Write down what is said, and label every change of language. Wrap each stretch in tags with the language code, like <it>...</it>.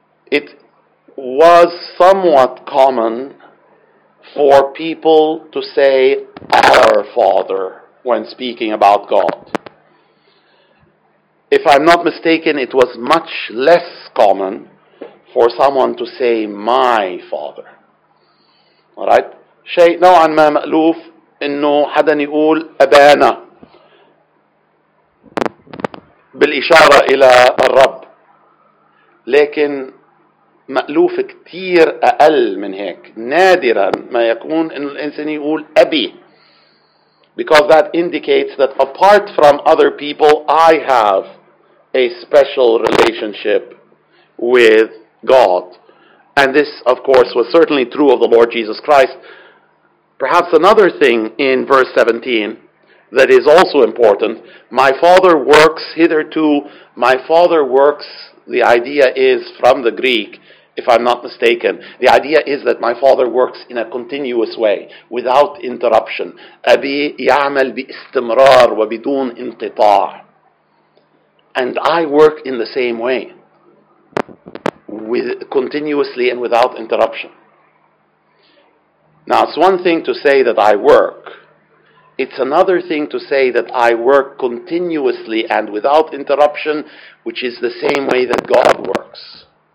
<en>It was somewhat common for people to say, our Father, when speaking about God. If I'm not mistaken, it was much less common for someone to say, my father. All right?</en> <ar>شيء نوعا ما مألوف إنه حدا يقول أبانا بالإشارة إلى الرب. لكن مألوف كتير أقل من هيك. نادرا ما يكون إن الإنسان يقول أبي.</ar> <en>Because that indicates that apart from other people, I have a special relationship with God. And this, of course, was certainly true of the Lord Jesus Christ. Perhaps another thing in verse 17 that is also important, my father works hitherto, my father works, the idea is from the Greek, if I'm not mistaken, the idea is that my father works in a continuous way, without interruption.</en> <ar>أبي يعمل باستمرار وبدون انقطاع.</ar> <en>And I work in the same way, with continuously and without interruption. Now, it's one thing to say that I work. It's another thing to say that I work continuously and without interruption, which is the same way that God works.</en>